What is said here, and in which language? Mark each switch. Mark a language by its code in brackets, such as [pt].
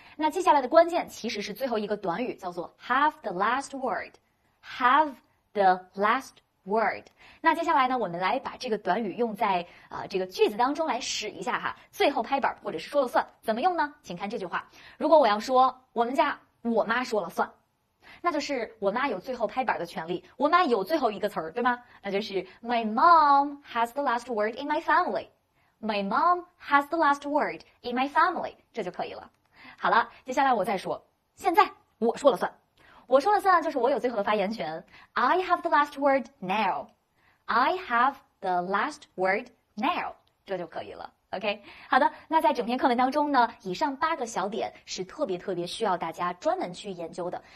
[zh] 那记下来的关键其实是最后一个短语，叫做 have the last word， have the last word。那接下来呢，我们来把这个短语用在这个句子当中来使一下哈，最后拍板或者是说了算，怎么用呢？请看这句话，如果我要说我们家我妈说了算，那就是我妈有最后拍板的权利，我妈有最后一个词儿，对吗？ [en] 那就是 My mom has the last word in my family， My mom has the last word in my family， 这就可以了。 [zh] 好了，接下来我再说，现在我说了算，我说了算就是我有最后的发言权， [en] I have the last word now， [zh] I have the last word now， 这就可以了。 OK， 好的，那在整篇课文当中呢，以上八个小点是特别特别需要大家专门去研究的。